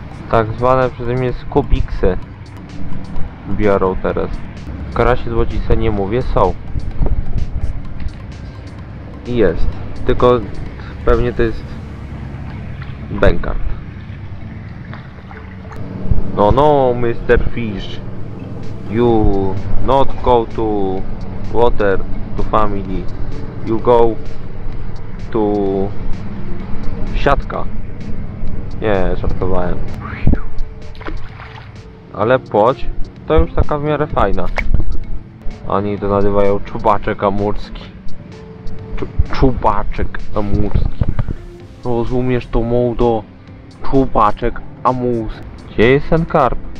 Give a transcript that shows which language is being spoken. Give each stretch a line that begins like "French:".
Polish: Tak zwane przeze mnie skubiksy biorą teraz. Karasie złocisty nie mówię, są. I jest. Tylko pewnie to jest bękart. No, no, Mr.
English: Fish, you not go to water to family, you go to siatka.
Polish: Nie, żartowałem. Ale płoć to już taka w miarę fajna. Oni to nazywają czubaczek amurski. Czubaczek amurski. Rozumiesz to, mołdo? Czubaczek amurski. Gdzie jest ten karp?